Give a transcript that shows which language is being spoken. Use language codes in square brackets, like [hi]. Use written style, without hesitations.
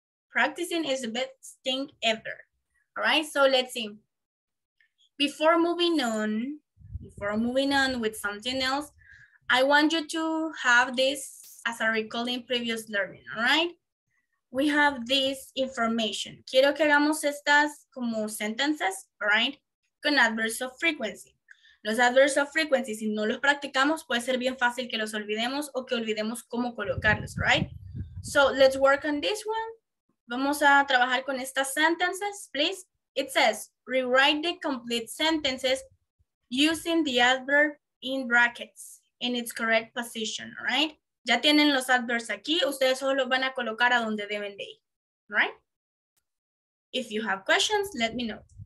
[en] Practicing is the best thing ever. All right, so let's see. Before moving on with something else, I want you to have this as a recalling previous learning, all right? We have this information. [es] Quiero que hagamos estas como sentences, [en] all right? [es] Con adverbs of frequency. Los adverbs of frequency, si no los practicamos, puede ser bien fácil que los olvidemos o que olvidemos cómo colocarlos, right? [en] So let's work on this one. [es] Vamos a trabajar con estas [en] sentences, please. It says, rewrite the complete sentences using the adverb in brackets in its correct position, right? [es] Ya tienen los adverbs aquí, ustedes solo los van a colocar a donde deben de ir, right? [en] If you have questions, let me know.